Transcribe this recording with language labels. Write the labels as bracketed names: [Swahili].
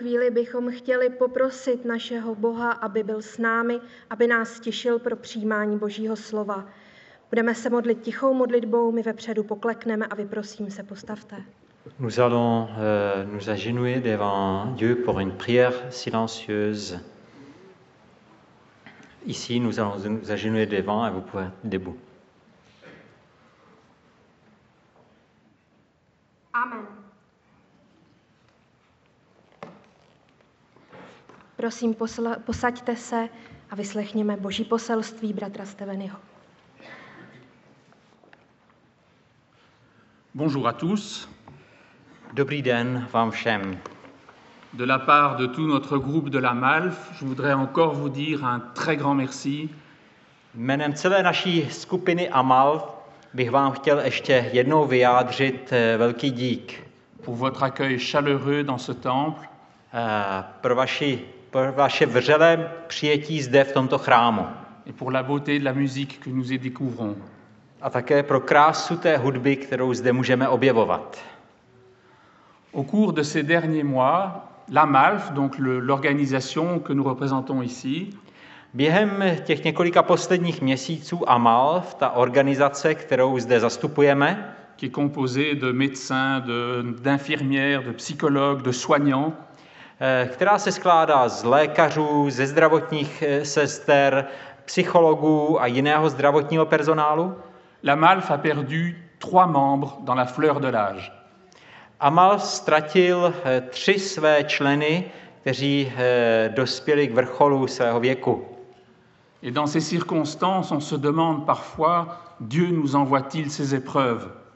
[Czech] Bychom chtěli poprosit našeho Boha, aby byl s námi, aby nás tišil pro přijímání Božího slova. Budeme se modlit tichou modlitbou, my vepředu poklekneme a vy prosím se postavte. [French] Nous allons nous agenouiller devant Dieu pour une prière silencieuse. Ici nous allons nous agenouiller devant et vous pouvez être debout. [Czech] Amen. Prosím, posaďte se a vyslechněme Boží poselství bratra Steveného. [French] Bonjour à tous. [Czech] Dobrý den vám všem. [French] De la part de tout notre groupe de la MALF, je voudrais encore vous dire un très grand merci. [Czech] Jménem celé naší skupiny AMALF bych vám chtěl ještě jednou vyjádřit velký dík. [French] Pour votre accueil chaleureux dans ce temple. [Czech] Pro vaši pro vaše vřelé přijetí zde v tomto chrámu. [French] Et pour la beauté de la musique que nous y découvrons. [Czech] A také pro krásu té hudby, kterou zde můžeme objevovat. [French] Au cours de ces derniers mois, l'AMALF, donc l'organisation que nous représentons ici, [Czech] během těch několika posledních měsíců AMALF, ta organizace, kterou zde zastupujeme, [French] qui est composée de médecins, d'infirmières, de psychologues, de soignants, [Czech] která se skládá z lékařů, ze zdravotních sester, psychologů a jiného zdravotního personálu. [French] L'AMALF a perdu 3 membres dans la fleur de l'âge. [Czech] AMALF ztratil 3 své členy, kteří dospěli k vrcholu svého věku. [French] Et dans ces circonstances, on se demande parfois, Dieu nous envoie-t-il ces épreuves?